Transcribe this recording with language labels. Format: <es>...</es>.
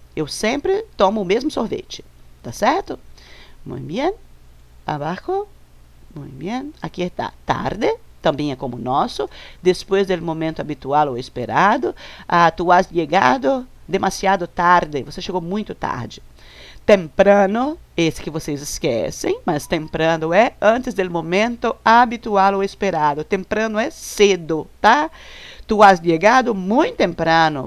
<pt>Eu sempre tomo o mesmo sorvete, tá certo?</pt> <es>Muy bien. Abajo. Muy bien. Aqui está.</es> <pt>Tarde, também é como o nosso. Depois do momento habitual ou esperado.</pt> <es>Tu has llegado demasiado tarde.</es> <pt>Você chegou muito tarde. Temprano, esse que vocês esquecem, mas temprano é antes do momento habitual ou esperado. Temprano é cedo, tá?</pt> <es>Tu has llegado muy temprano.</es>